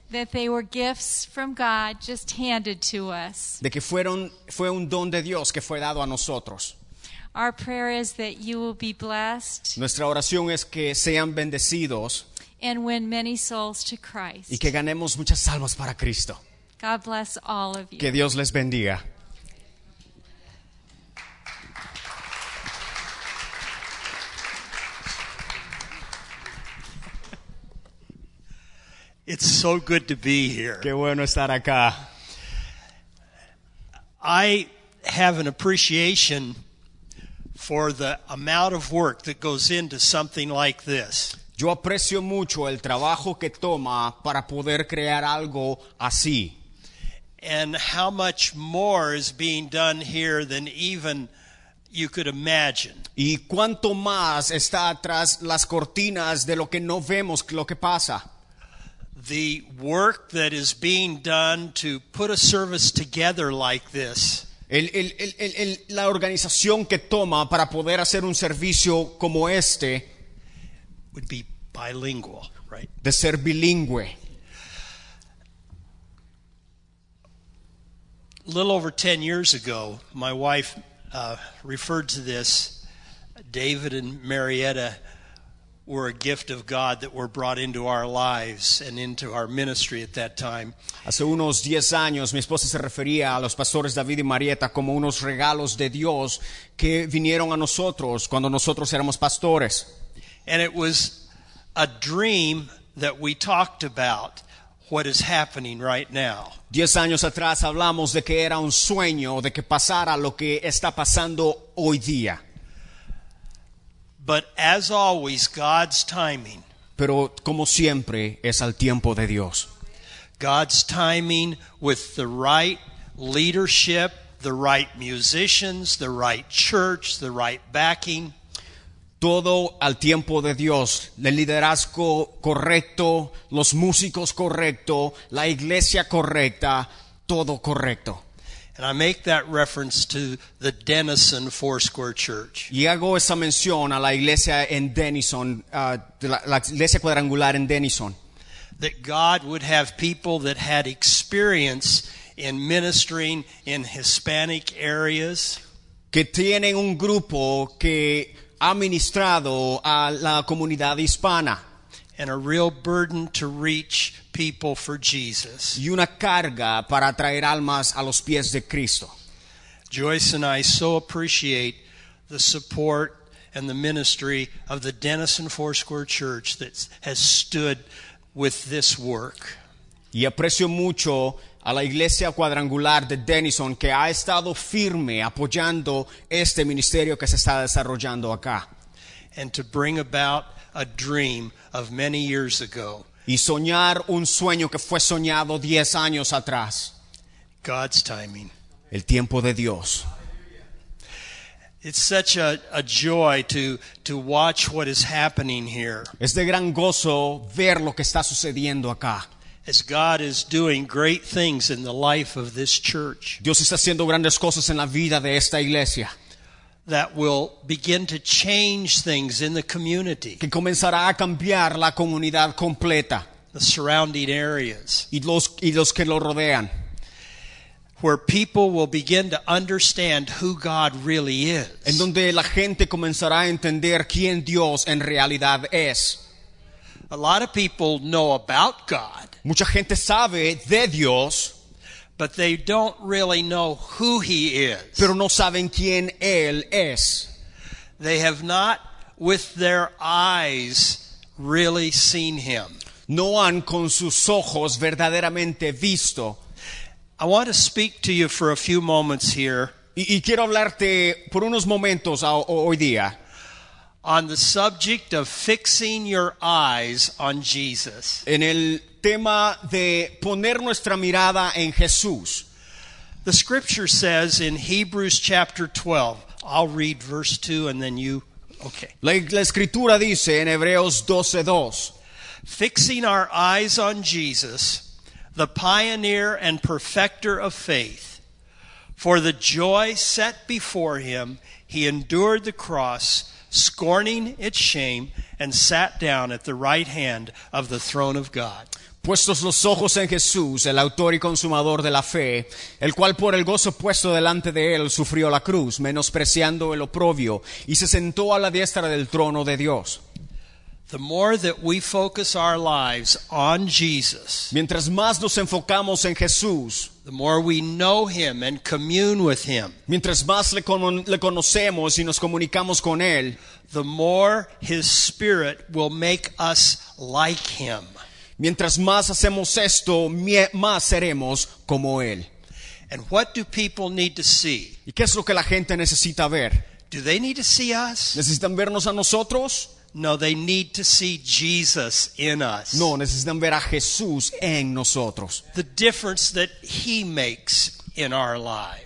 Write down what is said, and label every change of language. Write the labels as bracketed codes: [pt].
[en] That they were gifts from God just handed to us. [es] De que fue un don de Dios que fue dado a nosotros. [en] Our prayer is that you will be blessed. [es] Nuestra oración es que sean bendecidos. [en] And win many souls to Christ. [es] Y que ganemos muchas almas para Cristo. [en] God bless all of you. [es] Que Dios les bendiga. [en] It's so good to be here. [es] Qué bueno estar acá. [en] I have an appreciation for the amount of work that goes into something like this. [es] Yo aprecio mucho el trabajo que toma para poder crear algo así. [en] And how much more is being done here than even you could imagine. [es] Y cuánto más está atrás las cortinas de lo que no vemos lo que pasa. [en] The work that is being done to put a service together like this. [es] La organización que toma para poder hacer un servicio como este [en] would be bilingual, right? [es] De ser bilingüe. [en] A little over 10 years ago, my wife referred to this. David and Marietta were a gift of God that were brought into our lives and into our ministry at that time. [es] Hace unos 10 años, mi esposa se refería a los pastores David y Marietta como unos regalos de Dios que vinieron a nosotros cuando nosotros éramos pastores. [en] And it was a dream that we talked about what is happening right now. [es] 10 años atrás hablamos de que era un sueño, de que pasara lo que está pasando hoy día. [en] But as always, God's timing. [es] Pero como siempre, es al tiempo de Dios. [en] God's timing with the right leadership, the right musicians, the right church, the right backing. [es] Todo al tiempo de Dios. El liderazgo correcto, los músicos correcto, la iglesia correcta, todo correcto. [en] And I make that reference to the Denison Four Square Church. [es] Y hago esa mención a la iglesia en Denison, la iglesia cuadrangular en Denison. [en] That God would have people that had experience in ministering in Hispanic areas. [es] Que tienen un grupo que ha ministrado a la comunidad hispana. [en] And a real burden to reach people for Jesus. [es] Y una carga para traer almas a los pies de Cristo. [en] Joyce and I so appreciate the support and the ministry of the Denison Four Square Church that has stood with this work. [es] Y aprecio mucho a la iglesia cuadrangular de Denison que ha estado firme apoyando este ministerio que se está desarrollando acá. [en] And to bring about a dream of many years ago. [es] Y soñar un sueño que fue soñado 10 años atrás. [en] God's timing. [es] El tiempo de Dios. [en] It's such a joy to watch what is happening here. [es] Es de gran gozo ver lo que está sucediendo acá. [en] As God is doing great things in the life of this church. [es] Dios está haciendo grandes cosas en la vida de esta iglesia. [en] That will begin to change things in the community. [es] Que comenzará a cambiar la comunidad completa. [en] The surrounding areas. [es] Y los que lo rodean. [en] Where people will begin to understand who God really is. [es] En donde la gente comenzará a entender quién Dios en realidad es. [en] A lot of people know about God. [es] Mucha gente sabe de Dios. [en] But they don't really know who he is. [es] Pero no saben quién él es. [en] They have not, with their eyes, really seen him. [es] No han con sus ojos verdaderamente visto. [en] I want to speak to you for a few moments here. [es] Y quiero hablarte por unos momentos hoy día. [en] On the subject of fixing your eyes on Jesus. [es] En el tema de poner nuestra mirada en Jesús. [en] The scripture says in Hebrews chapter 12, I'll read verse 2 and then you, okay. [es] La escritura dice en Hebreos 12:2, [en] fixing our eyes on Jesus, the pioneer and perfecter of faith, for the joy set before him, he endured the cross, scorning its shame, and sat down at the right hand of the throne of God. [es] Puestos los ojos en Jesús, el autor y consumador de la fe, el cual por el gozo puesto delante de él sufrió la cruz, menospreciando el oprobio, y se sentó a la diestra del trono de Dios. [en] The more that we focus our lives on Jesus, [es] mientras más nos enfocamos en Jesús, [en] the more we know him and commune with him, [es] mientras más le conocemos y nos comunicamos con él, [en] the more his spirit will make us like him. [es] Mientras más hacemos esto, más seremos como él. [en] And what do people need to see? [es] ¿Y qué es lo que la gente necesita ver? [en] Do they need to see us? [es] ¿Necesitan vernos a nosotros? [en] No, they need to see Jesus in us. [es] No, necesitan ver a Jesús en nosotros. [en] The difference that he makes in our lives.